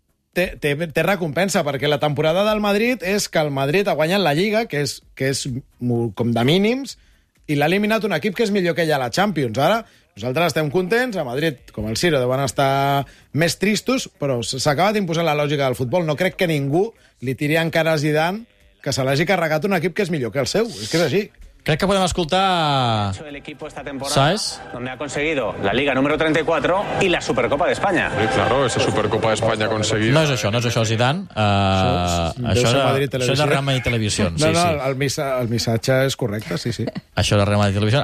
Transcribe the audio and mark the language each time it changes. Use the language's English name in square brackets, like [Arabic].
[Catalan] Té recompensa, perquè la temporada del Madrid és que el Madrid ha guanyat la Lliga, que és com de mínims, i l'ha eliminat un equip que és millor que ell a la Champions. Ara, nosaltres estem contents, a Madrid, com el Ciro, deuen estar més tristos, però s'ha acabat imposant la lògica del futbol. No crec que ningú li tiri encara a Zidane que se l'hagi carregat un equip que és millor que el seu. És que és així. Crec que podem escoltar... [Spanish] ...el equipo esta temporada, ¿sabes? Donde ha conseguido la Liga número 34 y la Supercopa de España. Sí, claro, esa Supercopa de España conseguida. [Catalan] No és això, no és això, Zidane. Això és de Real Madrid Televisió. No, no, el missatge és correcte, sí, sí. Això és de Real Madrid Televisió.